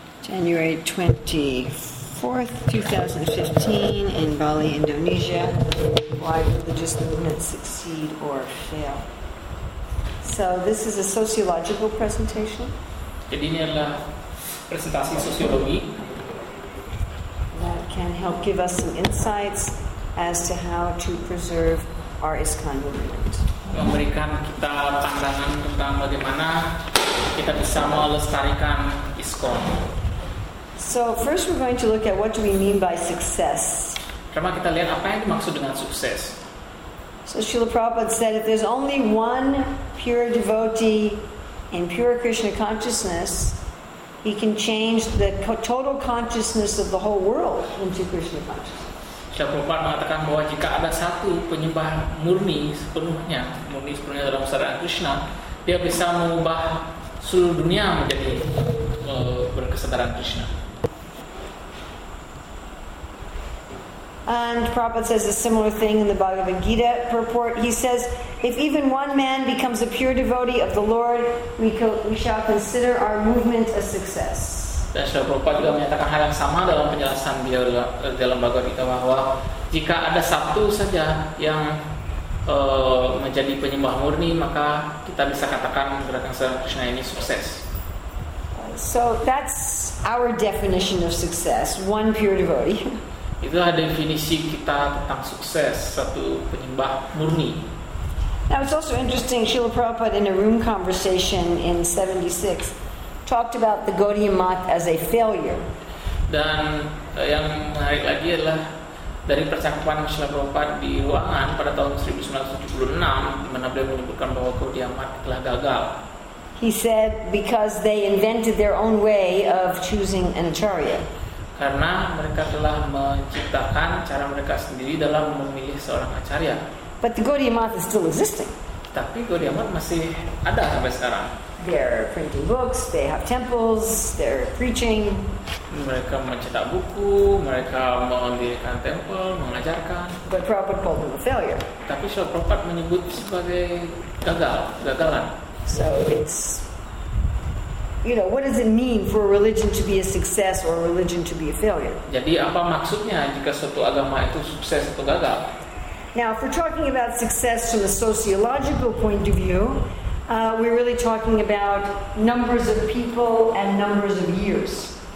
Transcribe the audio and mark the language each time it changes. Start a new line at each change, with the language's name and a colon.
English: January 24th, 2015, in Bali, Indonesia. Why did religious movements succeed or fail? So this is a sociological presentation.
Indonesian: Jadi ini adalah presentasi sosiologi.
English: That can help give us some insights as to how to preserve our ISKCON movement.
Indonesian: Memberikan kita pandangan tentang bagaimana kita bisa melestarikan ISKCON.
English: So first we're going to look at what do we mean by success.
Indonesian: Pertama kita lihat apa yang dimaksud dengan sukses.
English: So Srila Prabhupada said if there's only one pure devotee in pure Krishna consciousness, he can change the total consciousness of the whole world into Krishna consciousness.
Indonesian: Srila Prabhupada mengatakan bahwa jika ada satu penyembah murni sepenuhnya dalam sadaran Krishna, dia bisa mengubah seluruh dunia menjadi berkesadaran Krishna.
English: And Prabhupada says a similar thing in the Bhagavad Gita purport. He says, if even one man becomes a pure devotee of the Lord, we shall consider our movement a success.
Indonesian: Dan Srila Prabhupada juga menyatakan hal yang sama dalam penjelasan beliau dalam Bhagavad Gita, bahwa jika ada satu saja yang menjadi penyembah murni, maka kita bisa katakan gerakan Sri Krishna ini sukses.
English: So that's our definition of success, one pure devotee.
Indonesian: Itulah definisi kita tentang sukses, satu penyembah murni.
English: Now it's also interesting, Srila Prabhupada in a room conversation in 76 talked about the Gaudiya Math as a failure.
Indonesian: Dan yang menarik lagi adalah dari percakapan Srila Prabhupada di ruangan pada tahun 1976 di mana beliau menyebutkan bahwa Gaudiya Math telah gagal.
English: He said because they invented their own way of choosing an acharya.
Indonesian: Karena mereka telah menciptakan cara mereka sendiri dalam memilih seorang acharya.
English: But the Gaudiya Math is still existing.
Indonesian: Tapi Gaudiya Math masih ada sampai sekarang.
English: They're printing books, they have temples, they're preaching.
Indonesian: Mereka mencetak buku, mereka mendirikan tempel, mengajarkan.
English: But Prabhupada called them a failure.
Indonesian: Tapi Srila Prabhupada menyebut sebagai gagal, kegagalan.
English: So it's, you know, what does it mean for a religion to be a success or a religion to be a failure?
Indonesian: Jadi apa maksudnya jika suatu agama itu sukses atau gagal?
English: Now, if we're talking about success from a sociological point of view, we're really talking about numbers of people and numbers of years.